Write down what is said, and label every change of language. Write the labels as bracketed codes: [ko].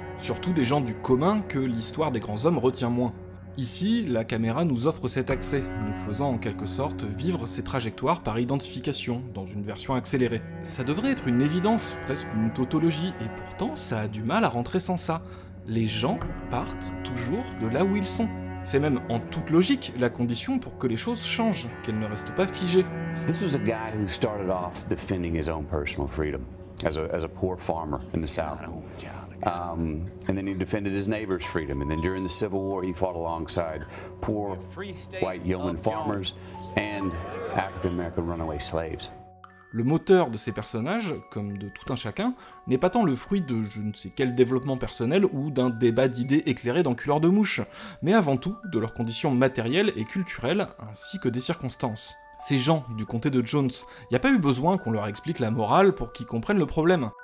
[fr] Surtout des gens du commun que l'histoire des grands hommes retient moins. Ici, la caméra nous offre cet accès, nous faisant en quelque sorte vivre ces trajectoires par identification, dans une version accélérée. Ça devrait être une évidence, presque une tautologie, et pourtant ça a du mal à rentrer sans ça. Les gens partent toujours de là où ils sont. C'est même en toute logique la condition pour que les choses changent, qu'elles ne restent pas figées. [en] This was a guy who started off defending his own personal freedom as a poor farmer in the South. And then he defended his neighbor's freedom. And then during the Civil War, he fought alongside poor white yeoman farmers and African American runaway slaves. [fr] Le moteur de ces personnages, comme de tout un chacun, n'est pas tant le fruit de je ne sais quel développement personnel ou d'un débat d'idées éclairé d'enculeurs de mouches, mais avant tout de leurs conditions matérielles et culturelles, ainsi que des circonstances. Ces gens du comté de Jones, y a pas eu besoin qu'on leur explique la morale pour qu'ils comprennent le problème.